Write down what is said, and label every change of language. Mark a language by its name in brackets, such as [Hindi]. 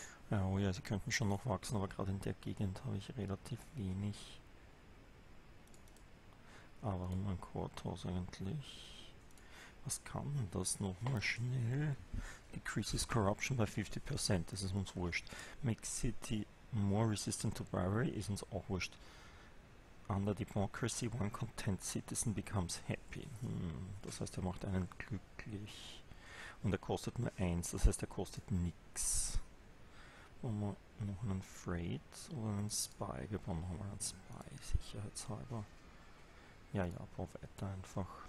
[German] Ja, oh ja, sie könnten schon noch wachsen, aber gerade in der Gegend habe ich relativ wenig. Aber um ein Quarthouse eigentlich. Was kann das nochmal schnell? [English] Decreases Corruption by 50%, [German] das ist uns wurscht. [English] Make City more resistant to bribery, [German] ist uns auch wurscht. [English] Under Democracy, one content citizen becomes happy. [German] Das heißt, er macht einen glücklich. Und er kostet nur eins, das heißt, er kostet nichts. Wollen wir noch einen Freight oder einen Spy? Wir brauchen nochmal einen Spy, sicherheitshalber. Ja, brauch weiter einfach.